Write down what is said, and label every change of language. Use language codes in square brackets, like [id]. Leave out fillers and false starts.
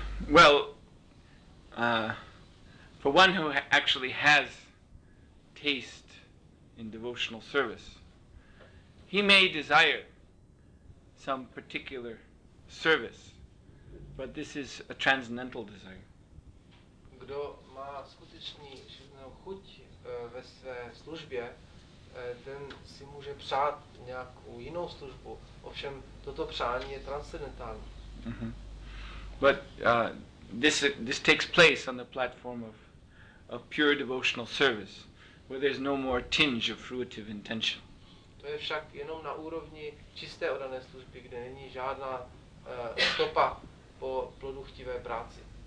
[en] Well, for one who actually has taste in devotional service, he may desire some particular service, but this is a transcendental desire. [cs] Kdo má skutečný chuť ve své službě, ten si může přát nějakou jinou službu. Ovšem toto přání je transcendentální. [en] But this takes place on the platform of pure devotional service, where there's no more tinge of fruitive intention. [cs] To je však jenom na úrovni čisté oddané služby, kde není žádná stopa po plodochtivé práci.